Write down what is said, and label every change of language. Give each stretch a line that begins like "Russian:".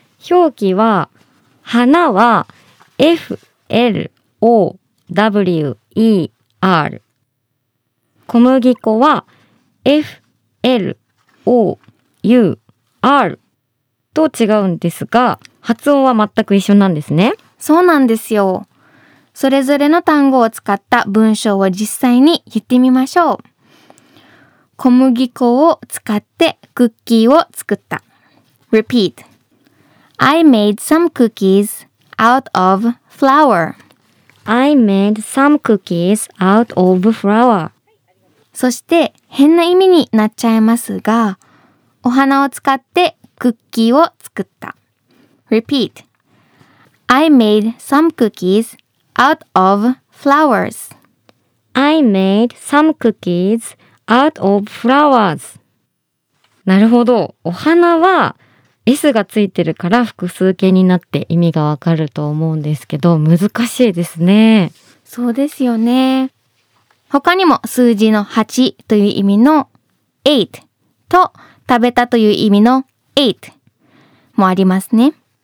Japanese: 表記は花はFLOWER、 小麦粉は FLOUR と違うんですが発音は全く一緒なんですね。そうなんですよ。それぞれの単語を使った文章を実際に言ってみましょう。小麦粉を使ってクッキーを作った。
English: Repeat. I made some cookies out offlour. I made some cookies out of flour.
Japanese: そして変な意味になっちゃいますが、お花を使ってクッキーを作った。
English: Repeat. I made some cookies out of flowers. I made some cookies out of flowers.
Japanese: なるほど。お花はS がついてるから複数形になって意味がわかると思うんですけど、難しいですね。そうですよね。他にも数字の8という意味の8と食べたという意味の8もありますね。